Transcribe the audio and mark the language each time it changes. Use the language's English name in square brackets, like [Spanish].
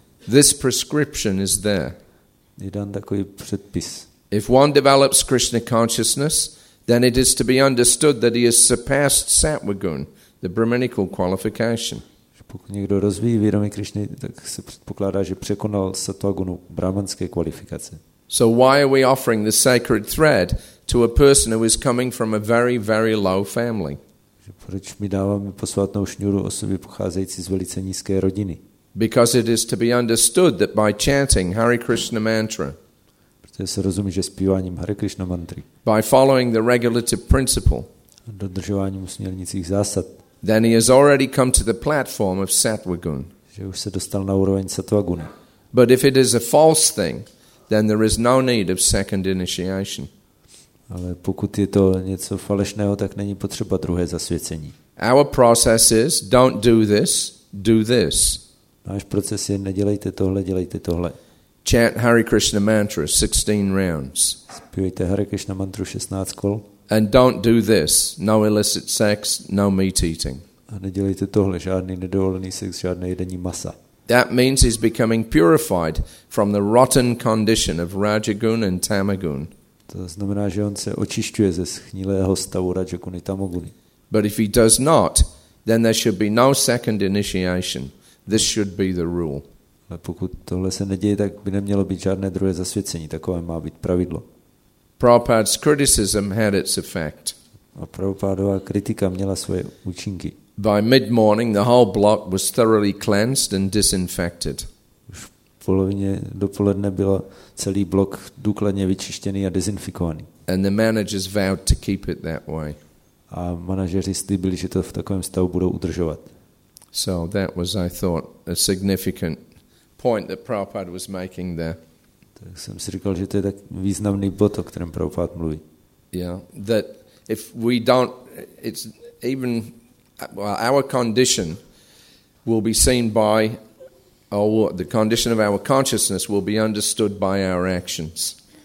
[English] This prescription is there. [Czech] Je dan takový předpis. [English] If one develops Krishna consciousness, then it is to be understood that he has surpassed satvagun, the brahminical qualification. [Czech] Pokud někdo rozvíjí vědomí Krišny, tak se předpokládá, že překonal satvagunu, brahmanské kvalifikace. [English] So why are we offering the sacred thread to a person who is coming from a very, very low family? [Czech] Že proč mi dáváme posvátnou šňůru osoby pocházející z velice nízké rodiny? [English] Because it is to be understood that by chanting Hare Krishna mantra. [Czech] Protože se rozumí, že zpíváním Hare Krishna mantry. [English] By following the regulative principle. [Czech] Dodržováním usměrnicích zásad. [English] Then he has already come to the platform of Sattvagun. [Czech] Že už se dostal na úroveň Sattvaguna. [English] But if it is a false thing, then there is no need of second initiation. [Czech] Ale pokud je to něco falešného, tak není potřeba druhé zasvěcení. [English] Our process is don't do this, do this. [Czech] Náš proces je nedělejte tohle, dělejte tohle. [English] Chant Hare Krishna mantra 16 rounds. [Czech] Zpívejte Hare Krishna mantru 16 kol. [English] And don't do this, no illicit sex, no meat eating. [Czech] A nedělejte tohle, žádný nedovolený sex, žádné jedení masa. [English] That means he's becoming purified from the rotten condition of Rajagun and Tamagun. [Czech] To znamená, že on se očišťuje ze schnilého stavu Rajaguny Tamaguny. [English] But if he does not, then there should be no second initiation. This should be the rule. [Czech] Ale pokud tohle se neděje, tak by nemělo být žádné druhé zasvěcení. Takové má být pravidlo. [English] Prabhupada's criticism had its effect. [Czech] A Prabhupádova kritika měla svoje účinky. [English] By mid-morning, the whole block was thoroughly cleansed and disinfected. [Czech] Už v polovině dopoledne byl celý blok důkladně vyčištěný a dezinfikovaný. [English] And the managers vowed to keep it that way. [Czech] A manažeři slíbili, že to v takovém stavu budou udržovat. [English] So that was, I thought, a significant point that Prabhupada was making there. [Czech] Tak jsem si říkal, že to je tak významný bod, o kterém Prabhupada mluví. [English] Yeah, that if we don't, it's even well, our condition will be seen by, or the condition of our consciousness will be understood by our actions.